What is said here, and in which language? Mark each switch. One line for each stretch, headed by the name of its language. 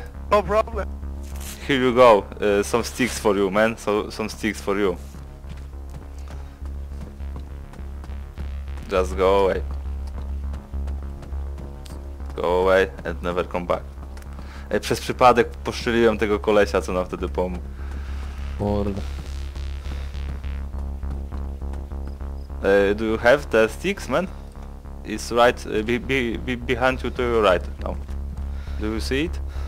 English: No problem! Here you go, some sticks for you man, so some sticks for you. Just go away. Go away and never come back.
Polish: Ej, przez przypadek poszczeliłem tego kolesia, co nam wtedy pomógł. Kurde.
English: Do you have the sticks, man? It's right behind you to your right. No. Do you see it?